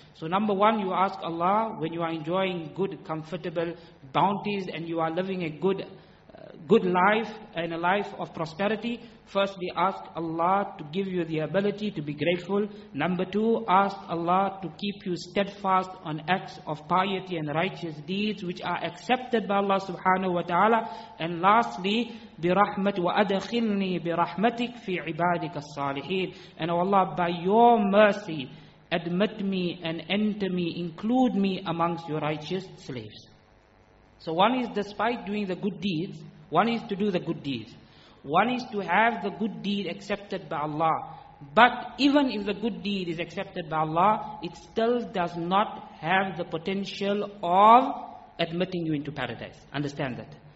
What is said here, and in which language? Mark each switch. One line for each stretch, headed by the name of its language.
English: So number one, you ask Allah, when you are enjoying good, comfortable bounties, and you are living a good life, and a life of prosperity, firstly ask Allah to give you the ability to be grateful. Number two, ask Allah to keep you steadfast on acts of piety and righteous deeds which are accepted by Allah subhanahu wa ta'ala. And lastly,
Arabic: بِرَحْمَةِ وَأَدْخِلْنِي بِرَحْمَتِكَ فِي عِبَادِكَ الصَّالِحِينَ.
English: And oh Allah, by your mercy, admit me and enter me, include me amongst your righteous slaves. So one is, despite doing the good deeds, one is to do the good deeds. One is to have the good deed accepted by Allah. But even if the good deed is accepted by Allah, it still does not have the potential of admitting you into paradise. Understand that.